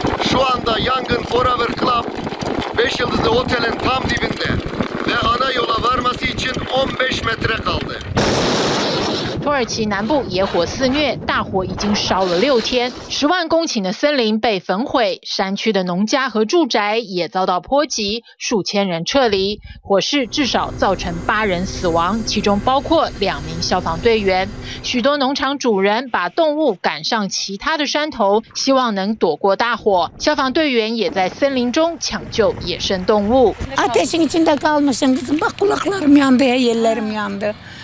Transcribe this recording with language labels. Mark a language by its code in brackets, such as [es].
[tr] Şu anda yangın Forever Club 5 yıldızlı otelin tam dibinde ve ana yola varması için 15 metre kaldı. [zh] 土耳其南部野火肆虐，大火已经烧了6天，10万公顷的森林被焚毁，山区的农家和住宅也遭到波及，数千人撤离。火势至少造成8人死亡，其中包括2名消防队员。许多农场主人把动物赶上其他的山头，希望能躲过大火。消防队员也在森林中抢救野生动物。 [tr] Ateşin içinde kalmışım kızım, bak kulaklarım yandı, ellerim yandı.